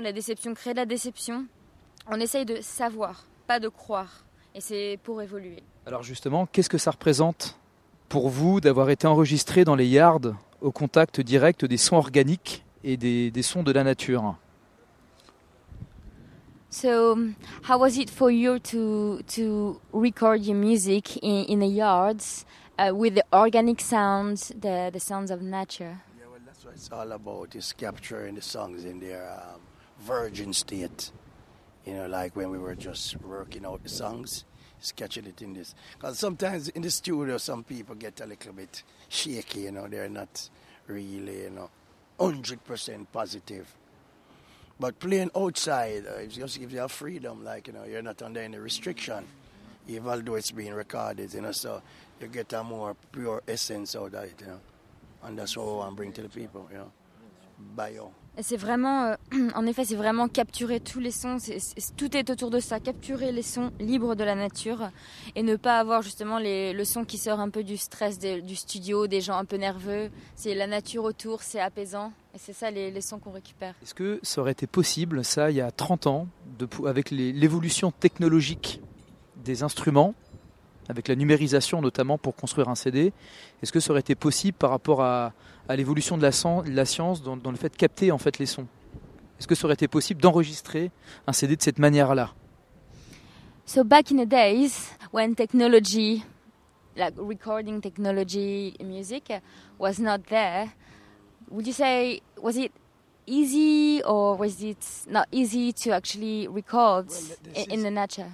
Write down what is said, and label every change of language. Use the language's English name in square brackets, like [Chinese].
[French] La déception crée de la déception. On essaye de savoir, pas de croire. Et c'est pour évoluer. Alors justement, qu'est-ce que ça représente pour vous d'avoir été enregistré dans les yards au contact direct des sons organiques et des sons de la nature? [English] So, how was it for you to record your music in the yards with the organic sounds, the sounds of nature? It's all about is capturing the songs in their virgin state. You know, like when we were just working out the songs, sketching it in this. Because sometimes in the studio, some people get a little bit shaky, you know. They're not really, you know, 100% positive. But playing outside, it just gives you a freedom. Like, you know, you're not under any restriction, even though it's being recorded, you know. So you get a more pure essence out of it, you know. And that's what we want to bring to the people, you know. Bio. [French] Et c'est vraiment, en effet, c'est vraiment capturer tous les sons. Tout est autour de ça. Capturer les sons libres de la nature et ne pas avoir justement le son qui sort un peu du stress du studio, des gens un peu nerveux. C'est la nature autour, c'est apaisant. Et c'est ça les sons qu'on récupère. Est-ce que ça aurait été possible, ça, il y a 30 ans, avec l'évolution technologique des instruments, avec la numérisation notamment pour construire un CD, est-ce que ça aurait été possible par rapport à l'évolution de la science dans le fait de capter en fait les sons? Est-ce que ça aurait été possible d'enregistrer un CD de cette manière-là? [English] So back in the days when technology, like recording technology music, was not there, would you say was it easy or was it not easy to actually record in the nature?